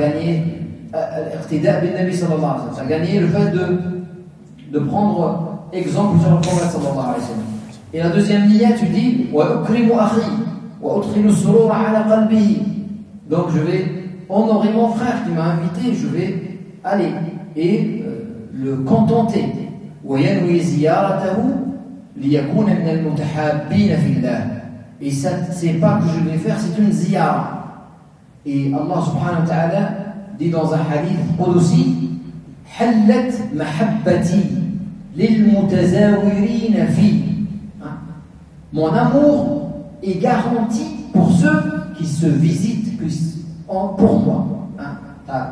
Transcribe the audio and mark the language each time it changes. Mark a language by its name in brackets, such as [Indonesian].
[French] Voilà, tu as gagné l'irtida bin nabi sallallahu alayhi wa sallam. Tu as gagné le fait de prendre exemple sur le prophète sallallahu alayhi wa sallam. Et la deuxième niya, tu dis, [Arabic] wa ukrimu akhi, wa utrinu surura ala qalbi. [French] Donc je vais honorer mon frère qui m'a invité, je vais aller et le contenter. [Arabic] وينوي زيارته ليكون من المتحابين في الله. [French] Et ça, c'est pas que je vais faire, c'est une ziyara. Et Allah subhanahu wa ta'ala dit dans un hadith qudsi, [Arabic] حلت محبتي للمتزاورين في. [French] Mon amour est garanti pour ceux qui se visitent pour moi. Hein?